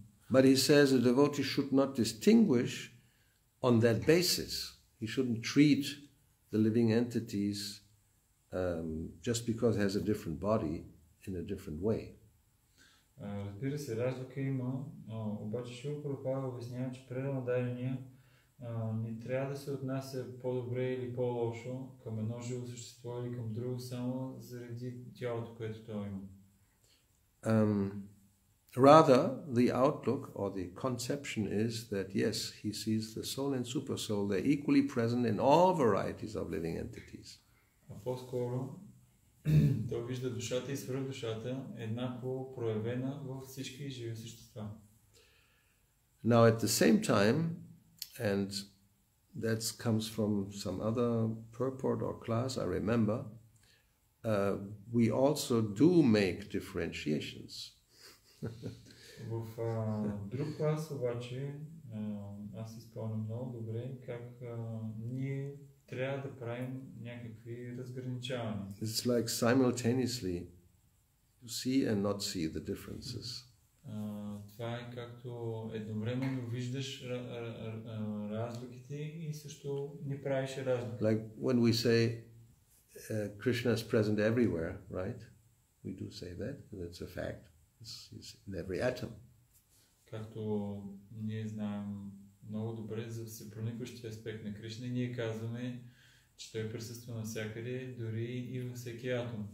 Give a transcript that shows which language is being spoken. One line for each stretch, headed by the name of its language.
English: But he says a devotee should not distinguish on that basis. He shouldn't treat the living entities just because it has a different body in a different way.
Bulgarian: Разбира се, разлика има, обаче Шива Прабхупада обяснява, че предано дадения не трябва да се отнася по-добре или по-лошо към едно живо същество или към друго, само заради тялото, което то има.
English: Rather, the outlook or the conception is that yes, he sees the soul and super soul, they're equally present in all varieties of living entities.
Bulgarian: А по-скоро, той вижда душата и свръхдушата еднакво проявена във всички живи същества.
English: Now, at the same time, and that comes from some other purport or class, I remember, we also do make differentiations.
Bulgarian: В друг клас обаче, аз си спомням много добре, как ние трябва да правим някакви разграничавания.
English: It's like simultaneously to see and not see the differences.
Bulgarian: Това е както едновременно виждаш разликите и също не правиш разлика.
English: Like when we say Krishna is present everywhere, right? We do say that, and it's a fact. It's in every atom.
Bulgarian: Както ние знаем, много добре за всепроникващия аспект на Кришна. Ние казваме, че той присъства навсякъде, дори и във всеки атом.